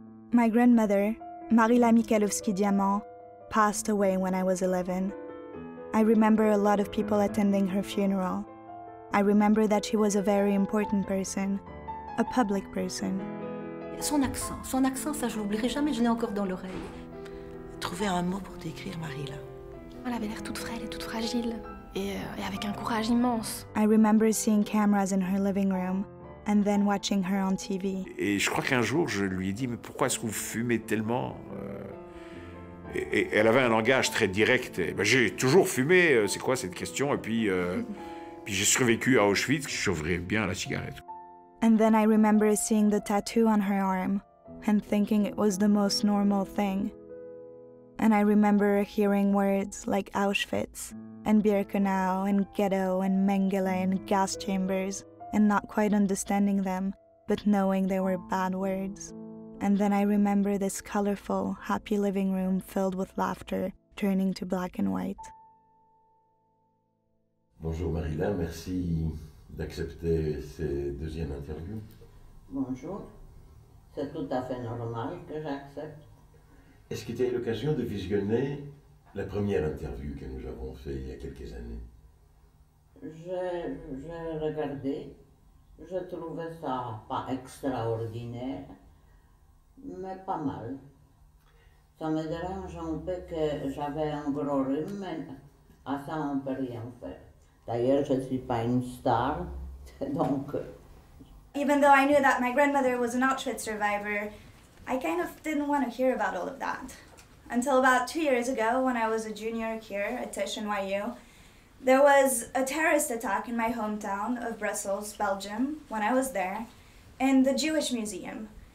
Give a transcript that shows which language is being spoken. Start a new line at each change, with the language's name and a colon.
English: My grandmother, Marila Mikhailovsky-Diamant, passed away when I was 11. I remember a lot of people attending her funeral. I remember that she was a very important person, a public person.
French: Son accent, ça je l'oublierai jamais, je l'ai encore dans l'oreille. Trouver un mot pour décrire Marie-là. Elle avait l'air toute frêle et toute fragile, et avec un courage immense.
English: I remember seeing cameras in her living room, and then watching her on TV.
French: Et je crois qu'un jour, je lui ai dit, mais pourquoi est-ce que vous fumez tellement? Et elle avait un langage très direct. Et, ben, j'ai toujours fumé, c'est quoi cette question? Et puis, puis j'ai survécu à Auschwitz, je chauffais bien la cigarette.
English: And then I remember seeing the tattoo on her arm and thinking it was the most normal thing. And I remember hearing words like Auschwitz and Birkenau and ghetto and Mengele and gas chambers and not quite understanding them, but knowing they were bad words. And then I remember this colorful, happy living room filled with laughter turning to black and white.
French: Bonjour Marie-La, merci d'accepter ces deuxièmes interviews. Bonjour. C'est tout à fait normal que j'accepte. Est-ce que tu as eu l'occasion de visionner la première interview que nous avons faite il y a quelques années? J'ai regardé. Je trouvais ça pas extraordinaire, mais pas mal. Ça me dérange un peu que j'avais un gros rhume, mais à ça on peut rien faire. D'ailleurs, je ne suis pas une star, donc...
English: Even though I knew that my grandmother was an Auschwitz survivor, I kind of didn't want to hear about all of that. Until about 2 years ago, when I was a junior here at Tisch NYU, there was a terrorist attack in my hometown of Brussels, Belgium, when I was there, in the Jewish Museum.